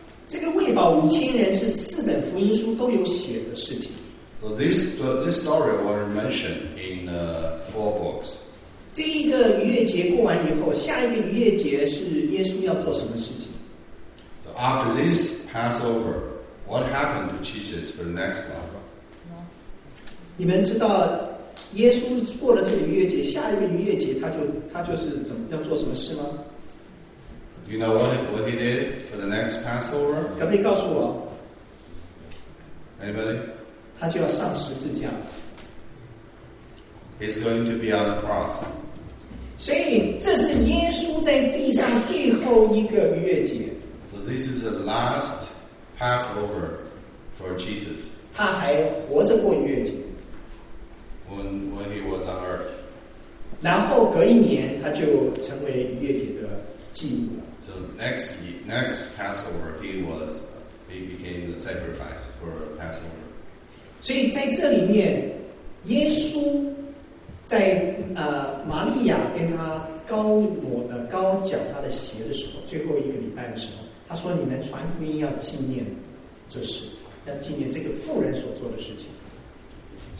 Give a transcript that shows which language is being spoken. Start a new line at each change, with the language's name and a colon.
Chinese: 这个喂饱五千人是四本福音书都有写的事情。
English: So this story was mentioned in four books.
Chinese: 这一个逾越节过完以后，下一个逾越节是耶稣要做什么事情
English: ？So after this Passover, what happened to Jesus for the next one?
Chinese: 你们知道耶稣过了这个逾越节，下一个逾越节他就是怎么要做什么事吗？
English: Do you know what he did for the next Passover?
Chinese: 可不可以告诉我
English: ？Anybody?
Chinese: 他就要上十字架。
English: He's going to be on the cross.
Chinese: 所以这是耶稣在地上最后一个逾越节。
English: So this is the last Passover for Jesus.
Chinese: 他还活着过逾越节。
English: When he was on earth.
Chinese: 然后隔一年，他就成为逾越节的祭物了。
English: So next Passover, he became the sacrifice for Passover.
Chinese: 所以在这里面，耶稣在玛利亚跟他高脚他的鞋的时候，最后一个礼拜的时候，他说：“你们传福音要纪念这事，要纪念这个妇人所做的事情。”